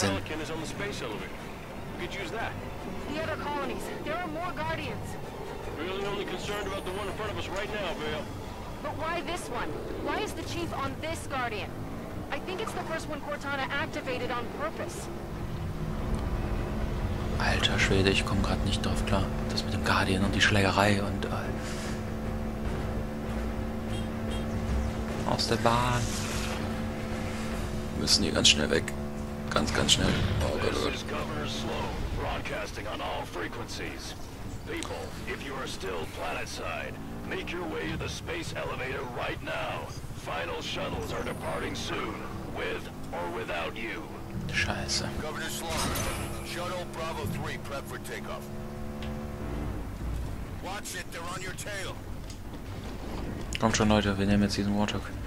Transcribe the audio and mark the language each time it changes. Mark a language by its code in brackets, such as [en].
[en] That Pelican is on the space elevator. We could use that. The other colonies. There are more Guardians. Really only concerned about the one in front of us right now, Vale. But why this one? Why is the Chief on this Guardian? I think it's the first one Cortana activated on purpose. [de] Alter Schwede, ich komme gerade nicht drauf klar. Das mit dem Guardian und die Schlägerei und... aus der Bahn. Wir müssen hier ganz schnell weg. Ganz, ganz schnell. Oh Gott, oh Gott. [en] This is Governor Sloan, broadcasting on all frequencies. People, if you are still planetside, make your way to the space elevator right now. Final shuttles are departing soon, with or without you. [de] Scheiße. [en] Governor Sloan, Shuttle Bravo 3 prep for takeoff. Watch it, they're on your tail. [de] Kommt schon, Leute, wir nehmen jetzt diesen Warthog.